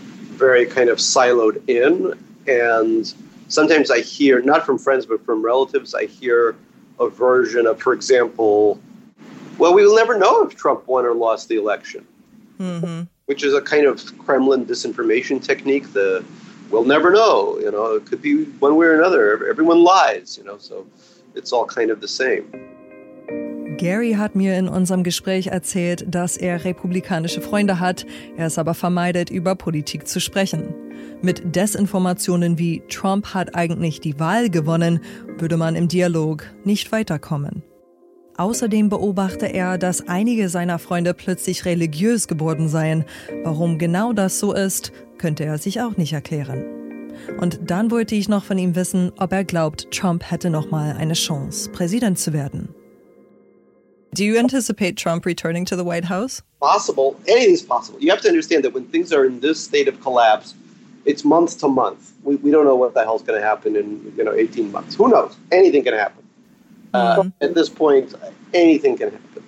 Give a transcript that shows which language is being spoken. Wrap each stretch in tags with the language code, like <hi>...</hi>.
<en>very kind of siloed in. And sometimes I hear, not from friends, but from relatives, I hear a version of, for example, well, we will never know if Trump won or lost the election, which is a kind of Kremlin disinformation technique. The we'll never know, you know, it could be one way or another. Everyone lies, you know, so it's all kind of the same.</en> <de>Gary hat mir in unserem Gespräch erzählt, dass er republikanische Freunde hat. Er ist aber vermeidet, über Politik zu sprechen. Mit Desinformationen wie Trump hat eigentlich die Wahl gewonnen, würde man im Dialog nicht weiterkommen. Außerdem beobachte er, dass einige seiner Freunde plötzlich religiös geworden seien. Warum genau das so ist, könnte er sich auch nicht erklären. Und dann wollte ich noch von ihm wissen, ob er glaubt, Trump hätte nochmal eine Chance, Präsident zu werden.</de> <en>Do you anticipate Trump returning to the White House? Possible. Anything's possible. You have to understand that when things are in this state of collapse, it's month to month. We don't know what the hell's going to happen in, you know, 18 months. Who knows? Anything can happen. At this point, anything can happen.</en>